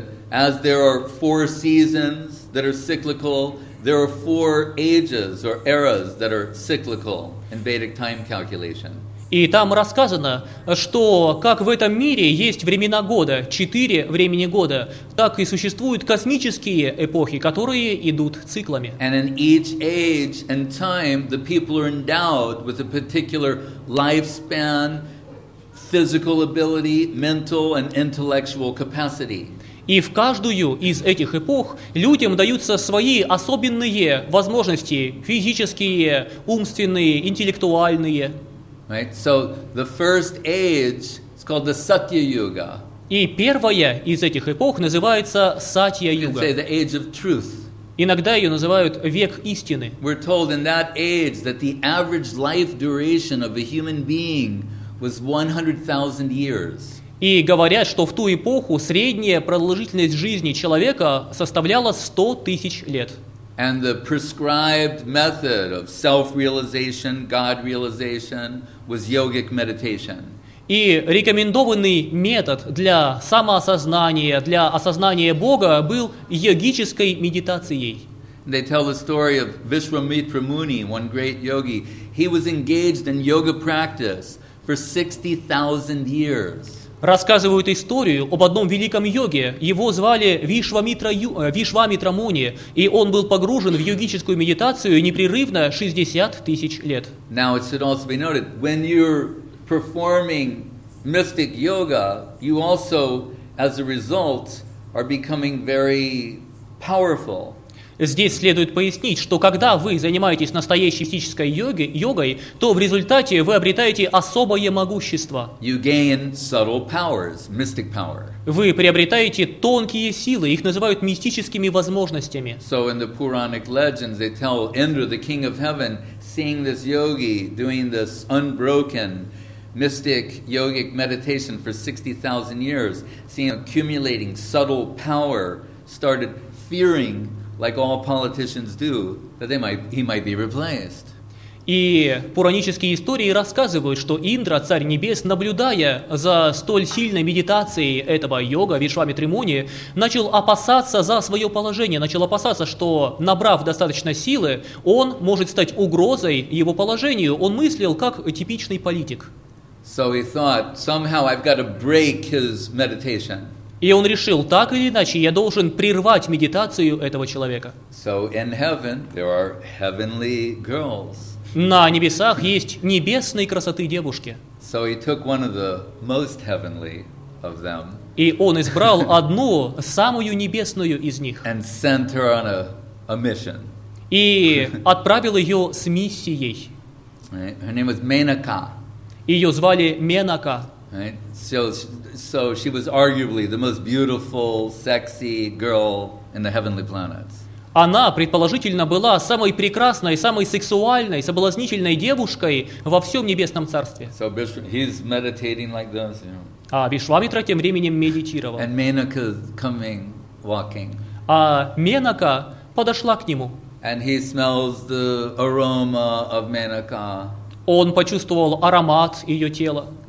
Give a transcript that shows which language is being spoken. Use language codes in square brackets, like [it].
[en] as there are four seasons that are cyclical, there are four ages or eras that are cyclical in Vedic time calculation. [ru] И там рассказано, что как в этом мире есть времена года, четыре времени года, так и существуют космические эпохи, которые идут циклами. [en] And in each age and time, the people are endowed with a particular lifespan, physical ability, mental and intellectual capacity. [ru] И в каждую из этих эпох людям даются свои особенные возможности, физические, умственные, интеллектуальные. [en] Right, so the first age is called the Satya Yuga. [ru] И первая из этих эпох называется Сатья Юга. [en] Say the age of truth. [ru] Иногда ее называют век истины. [en] We're told in that age that the average life duration of a human being was 100,000 years. [ru] И говорят, что в ту эпоху средняя продолжительность жизни человека составляла 100 тысяч лет. [en] And the prescribed method of self-realization, God-realization, was yogic meditation. [ru] И рекомендованный метод для самоосознания, для осознания Бога, был йогической медитацией. [en] They tell the story of Vishwamitra Muni, one great yogi. He was engaged in yoga practice for 60,000 years. [ru] Рассказывают историю об одном великом йоге. Его звали Вишвамитра Муни, и он был погружен в йогическую медитацию непрерывно 60 тысяч лет. [en] Now it should also be noted, when you're performing mystic yoga, you also, as a result, are becoming very powerful. [ru] Здесь следует пояснить, что когда вы занимаетесь настоящей мистической йогой, то в результате вы обретаете особое могущество. [en] You gain subtle powers, mystic power. [ru] Вы приобретаете тонкие силы, их называют мистическими возможностями. [en] So in the Puranic legends, they tell Indra, the king of heaven, seeing this yogi doing this unbroken mystic yogic meditation for 60,000 years, seeing accumulating subtle power, started fearing. Like all politicians do, that he might be replaced. [ru] И пуранические истории рассказывают, что Индра, царь небес, наблюдая за столь сильной медитацией этого йога Вишвамитры Муни, начал опасаться за свое положение, начал опасаться, что набрав достаточно силы, он может стать угрозой его положению. Он мыслил как типичный политик. [en] So he thought, somehow I've got to break his meditation. [ru] И он решил, так или иначе, я должен прервать медитацию этого человека. [en] So in heaven, there are heavenly girls. [ru] На небесах есть небесные красоты девушки. [en] So he took one of the most heavenly of them. [ru] И он избрал одну, самую небесную из них. [en] And sent her on a mission. [ru] И отправил ее с миссией. [en] Right. Her name was Menaka. [ru] Ее звали Менака. [en] So she was arguably the most beautiful, sexy girl in the heavenly planets. [ru] Она предположительно была самой прекрасной, самой сексуальной, соблазнительной девушкой во всем небесном царстве. [en] So he's meditating like this, you know. [ru] А Вишвамитра тем временем медитировал. [en] And Menaka coming walking. [ru] А Менака подошла к нему. [en] And he smells the aroma of Menaka. [ru] Он почувствовал аромат ее тела.